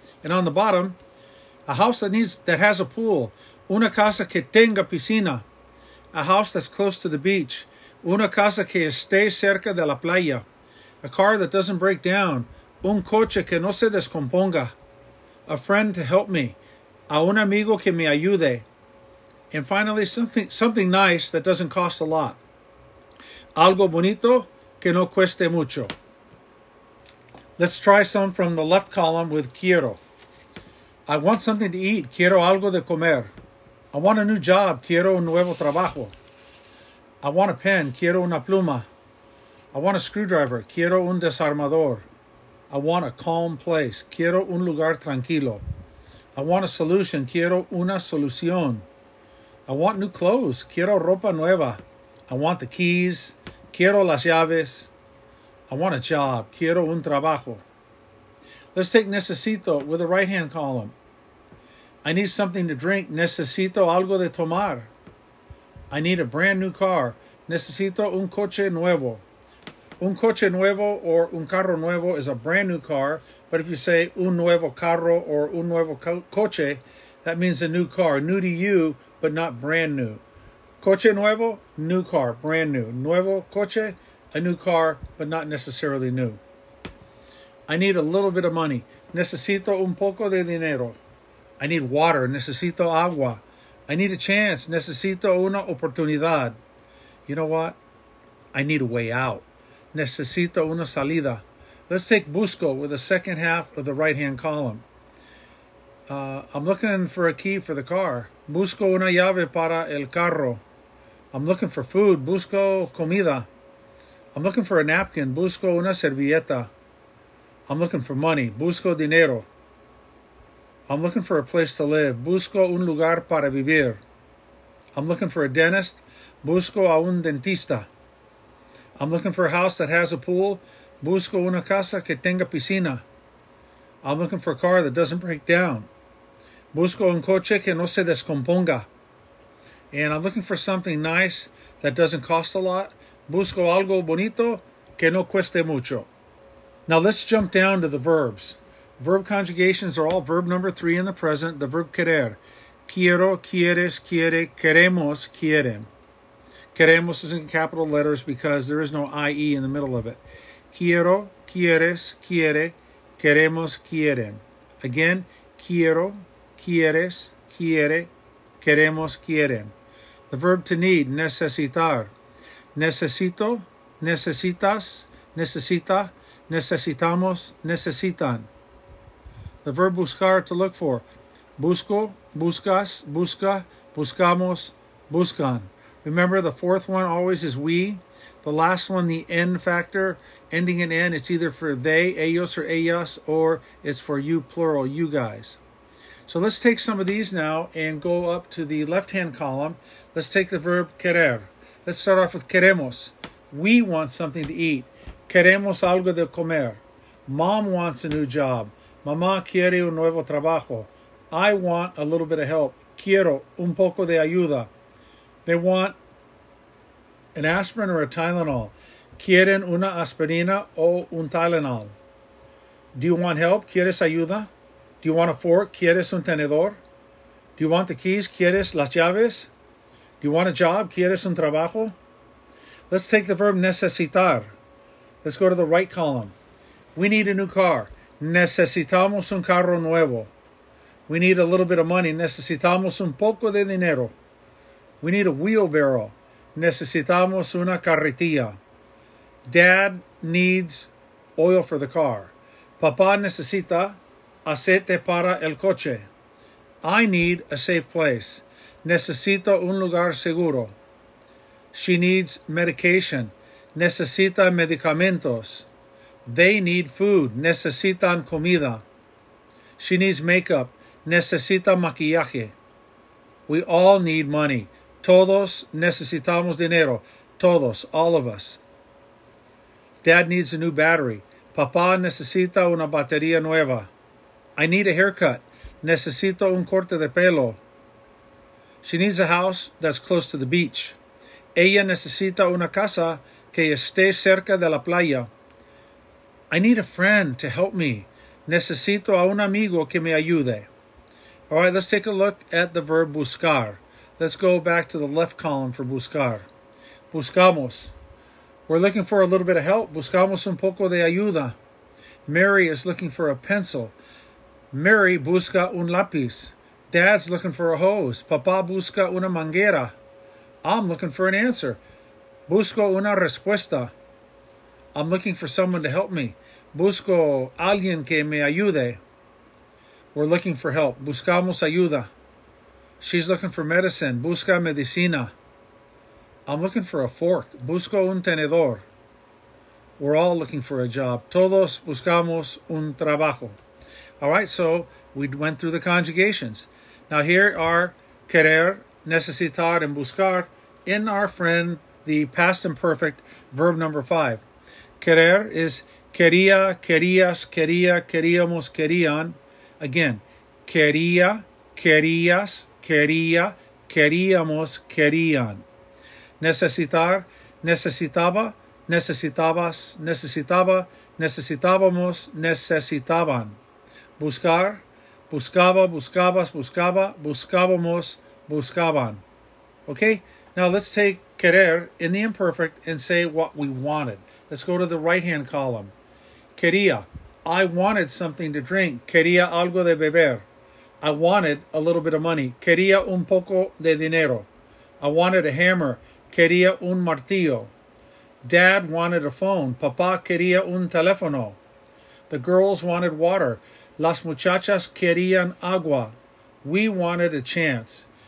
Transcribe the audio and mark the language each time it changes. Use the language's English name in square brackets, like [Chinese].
[English] And on the bottom, a house that has a pool. [Spanish] Una casa que tenga piscina. [English] A house that's close to the beach. [Spanish] Una casa que esté cerca de la playa. [English] A car that doesn't break down. [Spanish] Un coche que no se descomponga. [English] A friend to help me. [Spanish] A un amigo que me ayude. [English] And finally, something nice that doesn't cost a lot. [Spanish] Algo bonito que no cueste mucho. [English] Let's try some from the left column with quiero. I want something to eat. [Spanish] Quiero algo de comer. [English] I want a new job. [Spanish] Quiero un nuevo trabajo. [English] I want a pen. [Spanish] Quiero una pluma. [English] I want a screwdriver. [Spanish] Quiero un desarmador. [English] I want a calm place. [Spanish] Quiero un lugar tranquilo. [English] I want a solution. [Spanish] Quiero una solución. [English] I want new clothes. [Spanish] Quiero ropa nueva. [English] I want the keys. [Spanish] Quiero las llaves. [English] I want a job. [Spanish] Quiero un trabajo. [English] Let's take necesito with a right-hand column. I need something to drink. [Spanish] Necesito algo de tomar. [English] I need a brand new car. [Spanish] Necesito un coche nuevo. Un coche nuevo [English] or [Spanish] un carro nuevo [English] is a brand new car. But if you say [Spanish] un nuevo carro [English] or [Spanish] un nuevo coche, [English] that means a new car. New to you, but not brand new. [Spanish] Coche nuevo, [English] new car, brand new. [Spanish] Nuevo coche, [English] a new car, but not necessarily new. I need a little bit of money. [Spanish] Necesito un poco de dinero. [English] I need water. [Spanish] Necesito agua. [English] I need a chance. [Spanish] Necesito una oportunidad. [English] You know what? I need a way out. [Spanish] Necesito una salida. [English] Let's take busco with the second half of the right-hand column. I'm looking for a key for the car. [Spanish] Busco una llave para el carro. [English] I'm looking for food. [Spanish] Busco comida. [English] I'm looking for a napkin. [Spanish] Busco una servilleta. [English] I'm looking for money. [Spanish] Busco dinero. [English] I'm looking for a place to live. [Spanish] Busco un lugar para vivir. [English] I'm looking for a dentist. [Spanish] Busco a un dentista. [English] I'm looking for a house that has a pool. [Spanish] Busco una casa que tenga piscina. [English] I'm looking for a car that doesn't break down. [Spanish] Busco un coche que no se descomponga. [English] And I'm looking for something nice that doesn't cost a lot. [Spanish] Busco algo bonito que no cueste mucho. [English] Now let's jump down to the verbs. Verb conjugations are all verb number 3 in the present, the verb querer. [Spanish] Quiero, quieres, quiere, queremos, quieren. [English] Queremos is in capital letters because there is no IE in the middle of it. [Spanish] Quiero, quieres, quiere, queremos, quieren. Again, quiero, quieres, quiere, queremos, quieren. [English] The verb to need, [Spanish] necesitar. Necesito, necesitas, necesita, necesitamos, necesitan. [English] The verb [Spanish] buscar, [English] to look for. [Spanish] Busco, buscas, busca, buscamos, buscan. [English] Remember, the fourth one always is we. The last one, the N factor, ending in N, it's either for they, ellos or ellas, or it's for you, plural, you guys. So let's take some of these now and go up to the left-hand column. Let's take the verb querer. Let's start off with queremos. We want something to eat. [Spanish] Queremos algo de comer. [English] Mom wants a new job. [Spanish] Mamá quiere un nuevo trabajo. [English] I want a little bit of help. [Spanish] Quiero un poco de ayuda. [English] They want an aspirin or a Tylenol. [Spanish] Quieren una aspirina o un Tylenol. [English] Do you want help? [Spanish] ¿Quieres ayuda? [English] Do you want a fork? [Spanish] ¿Quieres un tenedor? [English] Do you want the keys? [Spanish] ¿Quieres las llaves? [English] Do you want a job? [Spanish] ¿Quieres un trabajo? [English] Let's take the verb necesitar. Let's go to the right column. We need a new car. [Spanish] Necesitamos un carro nuevo. [English] We need a little bit of money. [Spanish] Necesitamos un poco de dinero. [English] We need a wheelbarrow. [Spanish] Necesitamos una carretilla. [English] Dad needs oil for the car. [Spanish] Papá necesita aceite para el coche. [English] I need a safe place. [Spanish] Necesito un lugar seguro. [English] She needs medication. [Spanish] Necesita medicamentos. [English] They need food. [Spanish] Necesitan comida. [English] She needs makeup. [Spanish] Necesita maquillaje. [English] We all need money. [Spanish] Todos necesitamos dinero. Todos, [English] all of us. Dad needs a new battery. [Spanish] Papá necesita una batería nueva. [English] I need a haircut. [Spanish] Necesito un corte de pelo. [English] She needs a house that's close to the beach. [Spanish] Ella necesita una casa que esté cerca de la playa. [English] I need a friend to help me. [Spanish] Necesito a un amigo que me ayude. [English] All right, let's take a look at the verb buscar. Let's go back to the left column for buscar. Buscamos. We're looking for a little bit of help. [Spanish] Buscamos un poco de ayuda. [English] Mary is looking for a pencil. [Spanish] Mary busca un lápiz. [English] Dad's looking for a hose. [Spanish] Papá busca una manguera. [English] I'm looking for an answer. [Spanish] Busco una respuesta. [English] I'm looking for someone to help me. [Spanish] Busco alguien que me ayude. [English] We're looking for help. [Spanish] Buscamos ayuda. [English] She's looking for medicine. [Spanish] Busca medicina. [English] I'm looking for a fork. [Spanish] Busco un tenedor. [English] We're all looking for a job. [Spanish] Todos buscamos un trabajo. [English] All right, so we went through the conjugations. Now here are querer, necesitar, and buscar in our friend, the past imperfect verb number 5. [Spanish] Querer is quería, querías, quería, queríamos, querían. Again, quería, querías, quería, queríamos, querían. Necesitar, necesitaba, necesitabas, necesitaba, necesitábamos, necesitaban. Buscar, buscaba, buscabas, buscaba, buscábamos, buscaban. [English] Okay, now let's take querer in the imperfect and say what we wanted. Let's go to the right-hand column. Quería, I wanted something to drink. [Spanish] Quería algo de beber. [English] I wanted a little bit of money. [Spanish] Quería un poco de dinero. [English] I wanted a hammer. [Spanish] Quería un martillo. [English] Dad wanted a phone. [Spanish] Papá quería un teléfono. [English] The girls wanted water. [Spanish] Las muchachas querían agua. [English] We wanted a chance.